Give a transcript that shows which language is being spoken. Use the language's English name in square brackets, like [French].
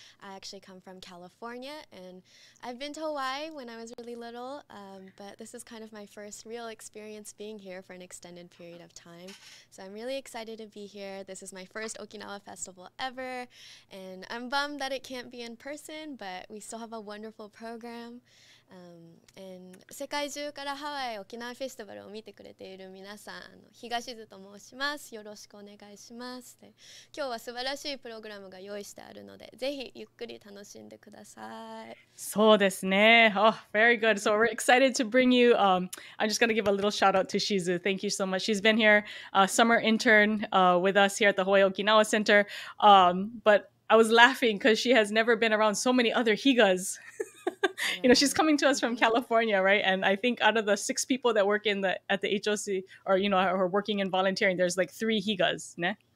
[English] I actually come from California, and I've been to Hawaii when I was really little, but this is kind of my first real experience being here for an extended period of time. So I'm really excited to be here. This is my first Okinawa Festival ever, and I'm bummed that it can't be in person, but we still have a wonderful program. [Japanese] And 世界中からハワイ沖縄フェスティバルを見てくれている皆さん、あの東津と申します。よろしくお願いします。で今日は素晴らしいプログラムが用意してあるので、ぜひゆっくり楽しんでください。そうですね。 [English] Oh, very good. So we're excited to bring you, I'm just going to give a little shout out to Shizu. Thank you so much. She's been here, summer intern, with us here at the Hawaii Okinawa Center. But I was laughing because she has never been around so many other Higas. You know, she's coming to us from California, right? And I think out of the six people that work in the at the HOC, or you know, are working and volunteering, there's like three Higas, ne?